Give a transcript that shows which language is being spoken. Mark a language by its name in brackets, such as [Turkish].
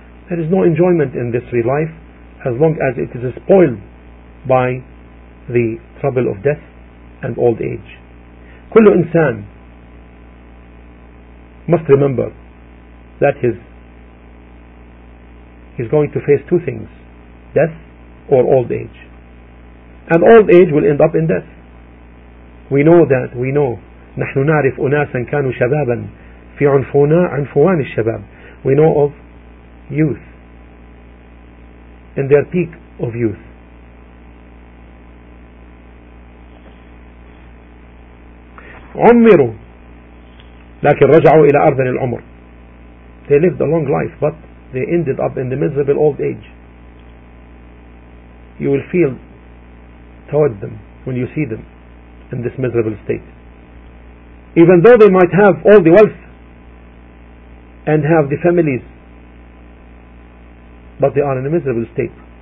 [English] There is no enjoyment in this real life as long as it is spoiled by the trouble of death and old age. [Arabic] كل إنسان [English] must remember that he's going to face two things, death or old age. And old age will end up in death. We know that, we know. [Arabic] نحن نعرف أناسا كانوا شبابا في عنفونا عنفوان الشباب. [English] We know of youth in their peak of youth. [Arabic] عمروا لكن رجعوا إلى أرض العمر. [English] They lived a long life but they ended up in the miserable old age. You will feel toward them when you see them in this miserable state. Even though they might have all the wealth and have the families, but they are in a miserable state.